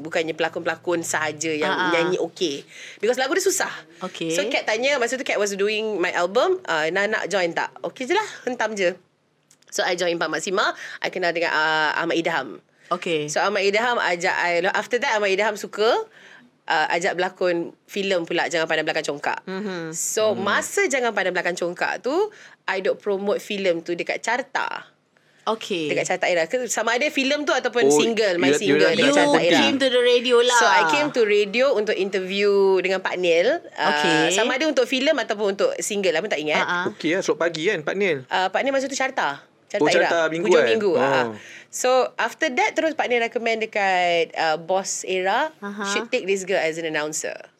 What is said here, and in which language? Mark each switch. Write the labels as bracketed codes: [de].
[ms] Bukannya pelakon-pelakon sahaja yang menyanyi okay. [en] Because [ms] lagu dia susah. Okay. [en] So [ms] Kat tanya, masa tu [en] Kat was doing my album. [ms] Nak join tak? Okay je lah, hentam je. So I join Pak Maksima. I kenal dengan Ahmad Idham. Okay. So Ahmad Idham ajak I. [en] After that [ms] Ahmad Idham suka. Ajak berlakon filem pula Jangan Pandang Belakang Congkak. So masa Jangan Pandang Belakang Congkak tu, I duk promote filem tu dekat carta. Okay. Dekat carta era. Sama ada filem tu ataupun single, [en] my single [ms] dekat carta era. [en] You came to the radio lah. So I came to radio [ms] untuk interview dengan [en] Pak Neil. [ms] Sama ada untuk filem ataupun untuk single lah, pun tak ingat. Okay, esok pagi kan Pak Neil. Pak Neil masa tu carta. Carta minggu. [en] So after that [ms] terus Pak Neil recommend dekat [en] boss era, should take this girl as an announcer.